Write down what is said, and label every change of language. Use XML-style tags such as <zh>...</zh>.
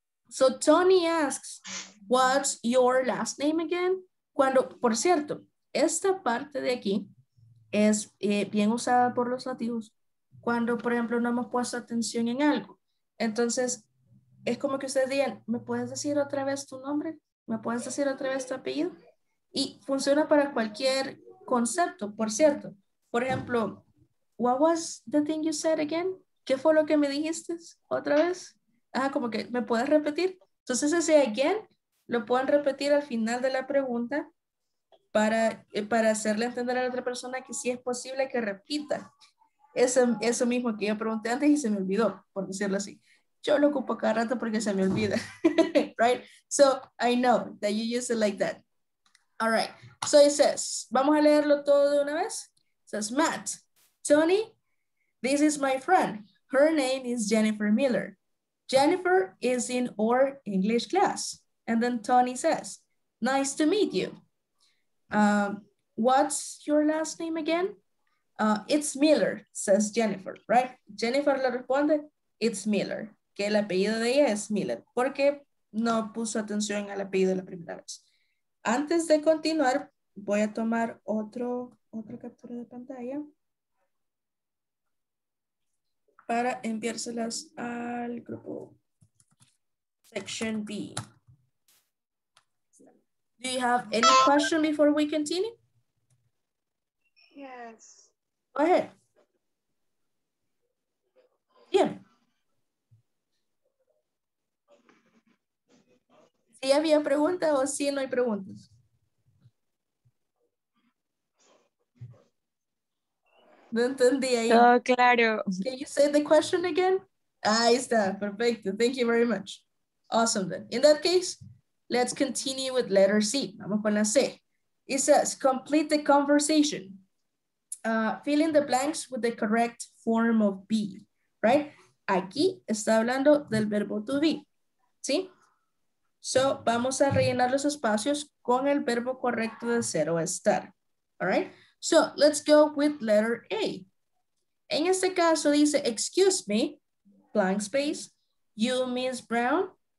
<en>So, Tony asks, what's your last name again?</en> <es>Cuando, por cierto, esta parte de aquí es bien usada por los nativos. Cuando, por ejemplo, no hemos puesto atención en algo. Entonces, es como que ustedes digan, ¿me puedes decir otra vez tu nombre? ¿Me puedes decir otra vez tu apellido? Y funciona para cualquier concepto, por cierto. Por ejemplo,</es> <en>what was the thing you said again?</en> <es>¿Qué fue lo que me dijiste otra vez? Ah, como que, ¿me puedes repetir? Entonces, ese again lo pueden repetir al final de la pregunta para hacerle entender a la otra persona que sí es posible que repita. Eso mismo que yo pregunté antes y se me olvidó, por decirlo así. Yo lo ocupo cada rato porque se me olvida.</es> <en>Right? So, I know that you use it like that. All right. So, it says,</en> <es>vamos a leerlo todo de una vez.</es> <en>It says, Matt, Tony, this is my friend. Her name is Jennifer Miller. Jennifer is in our English class. And then Tony says, nice to meet you. What's your last name again? It's Miller, says Jennifer, right?</en> <es>Jennifer le responde,</es> <en>it's Miller,</en> <es>que el apellido de ella es Miller, porque no puso atención al apellido la primera vez. Antes de continuar, voy a tomar otra captura de pantalla para enviárselas al grupo Section B.</es> <en>Do you have any question before we continue? Yes. Go ahead.</en> <es>Bien. ¿Sí había preguntas o sí no hay preguntas? No entendí ahí. Oh, claro.</es> <en>Can you say the question again?</en> <es>Ahí está. Perfecto.</es> <en>Thank you very much. Awesome then. In that case, let's continue with letter C.</en> <es>Vamos con la C.</es> <en>It says, complete the conversation. Fill in the blanks with the correct form of be, right?</en> <es>Aquí está hablando del verbo to be, ¿sí?</es> <en>So,</en> <es>vamos a rellenar los espacios con el verbo correcto de ser o estar,</es> <en>all right? So, let's go with letter A.</en> <es>En este caso dice,</es> <en>excuse me, blank space, you Miss Brown.</en>